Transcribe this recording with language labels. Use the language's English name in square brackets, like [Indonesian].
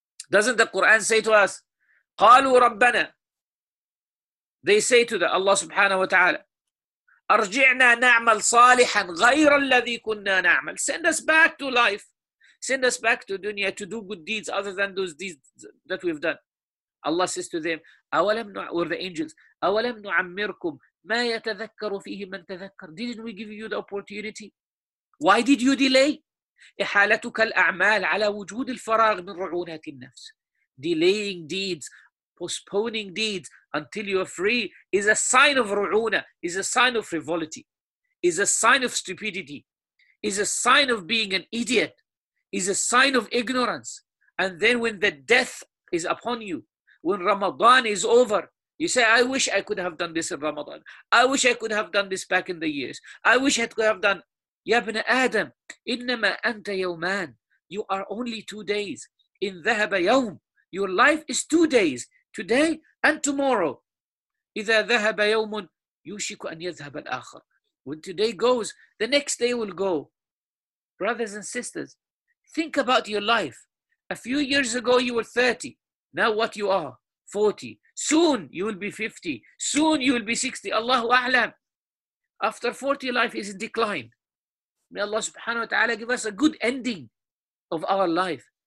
[English] Doesn't the Quran say to us, [Arabic] قالوا ربنا, [English] they say to the Allah subhanahu wa ta'ala, [Arabic] أرجعنا نعمل صالحا غير الذي كنا نعمل. [English] Send us back to life. Send us back to dunya to do good deeds other than those deeds that we've done. Allah says to them, "Awalam or the angels, [Arabic] awalam nu'ammirkum ma yatadhakkaru fihi man tadhakkar. [English] Didn't we give you the opportunity? Why did you delay? [Arabic] إحالتك الأعمال على وجود الفراغ من رعونات النفس. [English] Delaying deeds, postponing deeds until you are free is a sign of ru'una, is a sign of frivolity, is a sign of stupidity, is a sign of being an idiot, is a sign of ignorance. And then when the death is upon you, when Ramadan is over, you say, I wish I could have done this in Ramadan. I wish I could have done this back in the years. I wish I could have done. [Arabic] Ya ibn Adam, innama anta yawman. [English] You are only 2 days. [Arabic] In dhahaba yawm. [English] Your life is 2 days, today and tomorrow. [Arabic] إذا ذهب يوم يوشك أن يذهب الآخر. [English] When today goes, the next day will go. Brothers and sisters, think about your life. A few years ago, you were 30. Now what you are? 40. Soon you will be 50. Soon you will be 60. Allahu A'lam. After 40, life is in decline. May Allah subhanahu wa ta'ala give us a good ending of our life.